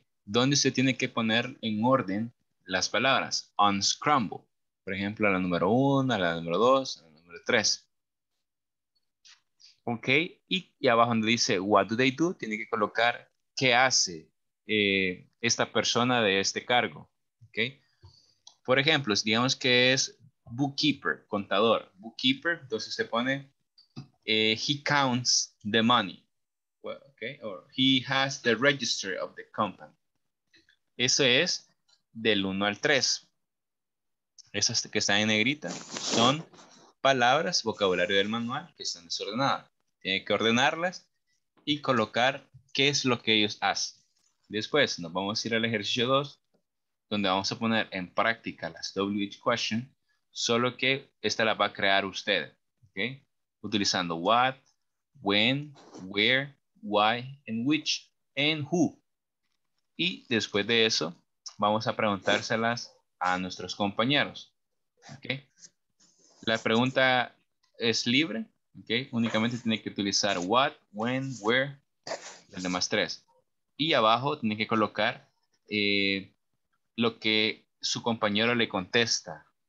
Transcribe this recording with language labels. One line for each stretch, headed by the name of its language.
Spanish: ¿Dónde se tiene que poner en orden las palabras? Unscramble. Por ejemplo, a la número 1, a la número 2, a la número 3. ¿Ok? Y abajo donde dice,
English: what do they do?
Spanish: Tiene que colocar, ¿qué hace esta persona de este cargo? ¿Ok? Por ejemplo, digamos que es bookkeeper, contador.
English: Bookkeeper,
Spanish: entonces se pone,
English: he counts the money. Well, okay, or he has the register of the company.
Spanish: Eso es del 1 al 3. Esas que están en negrita son palabras, vocabulario del manual, que están desordenadas. Tiene que ordenarlas y colocar qué es lo que ellos hacen. Después nos vamos a ir al ejercicio 2, donde vamos a poner en práctica las WH questions, solo que esta la va a crear usted, ¿ok? Utilizando
English: what, when, where, why, and which, and who.
Spanish: Y después de eso, vamos a preguntárselas a nuestros compañeros, ¿ok? La pregunta es libre, ¿ok? Únicamente tiene que utilizar what, when, where, y el demás tres. Y abajo tiene que colocar lo que su compañero le contesta.